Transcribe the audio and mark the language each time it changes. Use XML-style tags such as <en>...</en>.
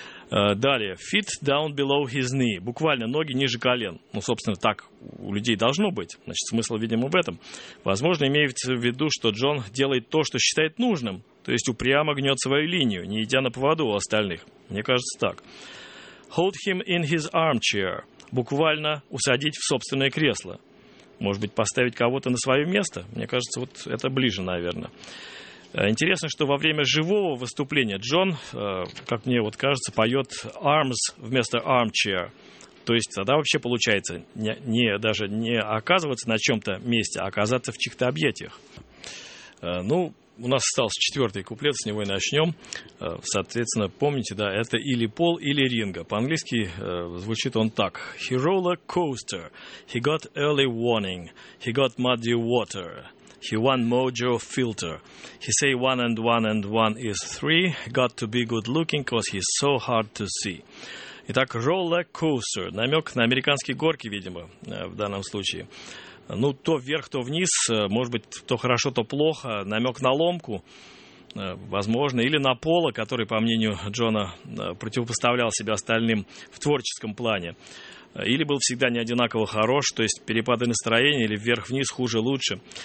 <ru>Далее,</ru> <en>feet down below his knee,</en> <ru>буквально ноги ниже колен. Ну, собственно, так у людей должно быть, значит, смысл, видимо, в этом. Возможно, имеется в виду, что Джон делает то, что считает нужным, то есть упрямо гнет свою линию, не идя на поводу у остальных. Мне кажется, так.</ru> <en>Hold him in his armchair.</en> <ru>Буквально усадить в собственное кресло. Может быть, поставить кого-то на свое место? Мне кажется, вот это ближе, наверное. Интересно, что во время живого выступления Джон, как мне вот кажется, поет arms вместо armchair. То есть тогда вообще получается не оказываться на чем-то месте, а оказаться в чьих-то объятиях. Ну, у нас остался четвертый куплет, с него и начнем. Соответственно, помните, да, это или пол, или ринга. По-английски звучит он так.</ru> <en>He roller coaster, he got early warning, he got muddy water, he won mojo filter. He say one and one and one is three, got to be good looking, cause he's so hard to see.</en> <ru>Итак, roller coaster, намек на американские горки, видимо, в данном случае. Ну, то вверх, то вниз, может быть, то хорошо, то плохо, намек на ломку, возможно, или на Пола, который, по мнению Джона, противопоставлял себя остальным в творческом плане, или был всегда не одинаково хорош, то есть перепады настроения, или вверх-вниз, хуже-лучше.</ru>